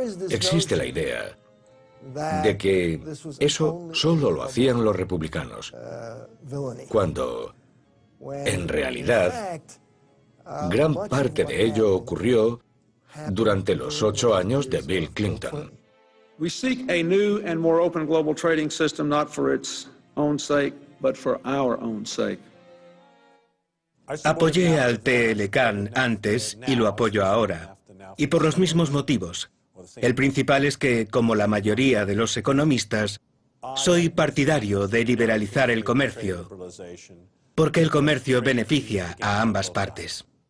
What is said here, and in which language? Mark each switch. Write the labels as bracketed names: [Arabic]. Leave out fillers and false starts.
[Spanish] Existe la idea de que eso solo lo hacían los republicanos, cuando, en realidad, gran parte de ello ocurrió durante los 8 años de Bill Clinton. [English] We seek a new and more open global trading system, not for its own sake, but for our own sake. [Spanish] Apoyé al TLCAN antes y lo apoyo ahora. Y por los mismos motivos. El principal es que, como la mayoría de los economistas, soy partidario de liberalizar el comercio, porque el comercio beneficia a ambas partes.